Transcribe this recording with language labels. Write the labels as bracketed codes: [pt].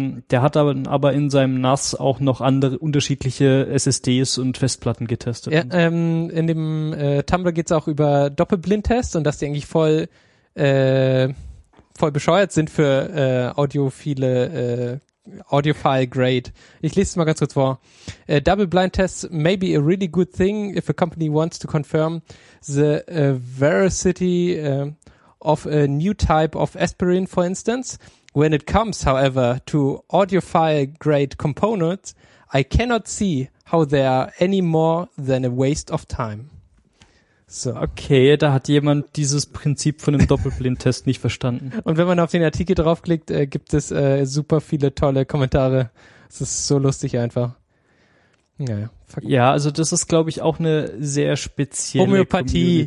[de] Der hat aber in seinem NAS auch noch andere unterschiedliche SSDs und Festplatten getestet. Ja, in dem Tumblr geht es auch über Doppelblindtests und dass die eigentlich voll bescheuert sind für audiophile Audiophile Grade. Ich lese es mal ganz kurz vor. [en] Double blind test may be a really good thing if a company wants to confirm the veracity of a new type of aspirin, for instance. When it comes, however, to audiophile grade components, I cannot see how they are any more than a waste of time. [de] So. Okay, da hat jemand dieses Prinzip von dem Doppelblindtest nicht verstanden. Und wenn man auf den Artikel draufklickt, gibt es super viele tolle Kommentare. Es ist so lustig einfach. Ja, also das ist, glaube ich, auch eine sehr spezielle Homöopathie.